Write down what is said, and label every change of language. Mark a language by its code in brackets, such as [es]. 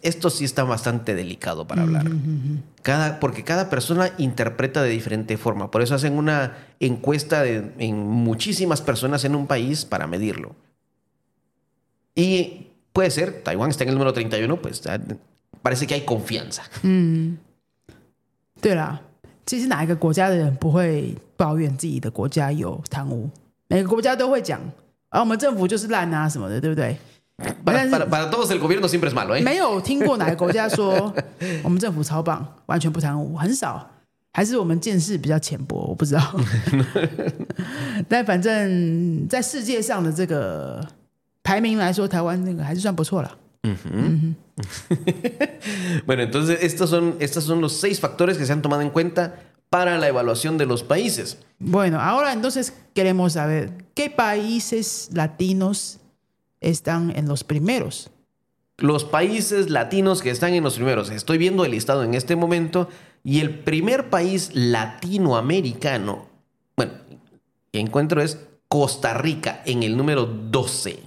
[es] Esto sí está bastante delicado para hablar. Porque cada persona interpreta de diferente forma. Por eso hacen una encuesta en muchísimas personas en un país para medirlo. Y puede ser, Taiwán está en el número 31, pues parece que hay confianza. Sí. [zh] 其实哪一个国家的人不会抱怨自己的国家有贪污，每个国家都会讲啊，我们政府就是烂啊什么的，对不对？ [es] Para todos el gobierno siempre es malo, ¿eh? [zh] 没有听过哪个国家说我们政府超棒，完全不贪污，很少，还是我们见识比较浅薄，我不知道。但反正在世界上的这个排名来说，台湾那个还是算不错了。 [es] Bueno, entonces estos son los seis factores que se han tomado en cuenta para la evaluación de los países. Bueno, ahora entonces queremos saber qué países latinos están en los primeros. Los países latinos que están en los primeros. Estoy viendo el listado en este momento y el primer país latinoamericano, bueno, que encuentro es Costa Rica en el número 12.